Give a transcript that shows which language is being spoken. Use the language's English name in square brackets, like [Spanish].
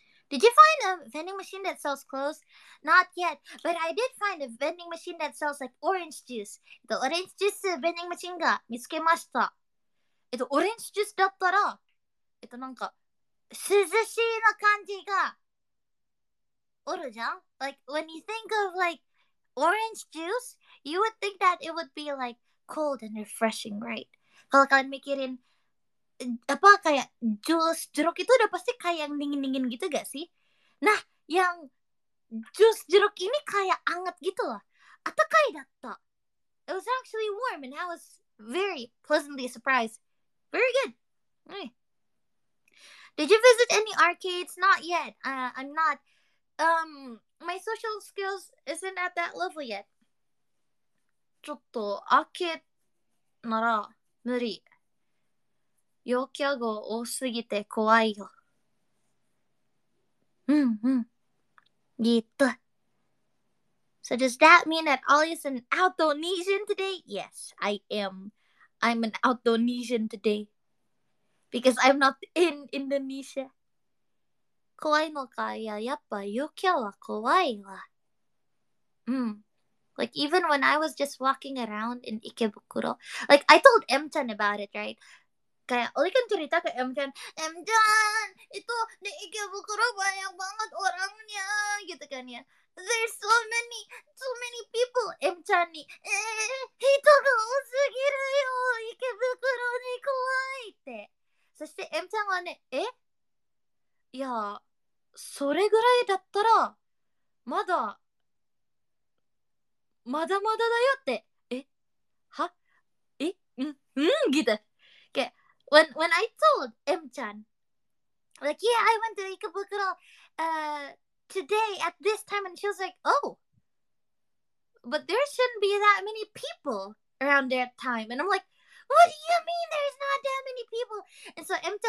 [English] Did you find a vending machine that sells clothes? Not yet, but I did find a vending machine that sells like orange juice. The orange juice vending machine [Japanese] が見つけました。オレンジジュースだったら、なんか涼しいな感じがおるじゃん。 [English] Like when you think of like orange juice, you would think that it would be like cold and refreshing, right? [Indonesian] Kalau kalian mikirin. Apa kayak jus jeruk itu udah pasti kayak yang dingin-dingin gitu gak sih? Nah, yang jus jeruk ini kayak anget gitu loh. [Japanese] Atakai datta. [English] It was actually warm and I was very pleasantly surprised. Very good. Did you visit any arcades? Not yet. I'm not. My social skills isn't at that level yet. [Japanese] ちょっと、アーケードなら無理。陽キャが多すぎて怖いよ。うんうん。ギッド。 [English] So does that mean that Ollie is an Outdoorsian today? Yes, I am. I'm an Outdoorsian today. Because I'm not in Indonesia. [Japanese] 怖いのか？いや、やっぱ陽キャは怖いわ。うん。 [English] Like, even when I was just walking around in Ikebukuro, like, I told M-chan about it, right? [Indonesian] Kayak, Oli kan cerita ke M-chan, M-chan, itu di Ikebukuro banyak banget orangnya, gitu kan ya. [English] There's so many people, M-chan ni. [Japanese] Hito ga osugiru yo, Ikebukuro ni kuwai te. そして M-chan はね、え？いや、それぐらいだったら、まだ、まだまだだよって、え？は？え？ん？ん？ギター。 [English] Okay, when I told M-chan, like, yeah, I went to Ikebukuro, today at this time, and she was like, oh, but there shouldn't be that many people around that time. And I'm like, what do you mean there's not that many people?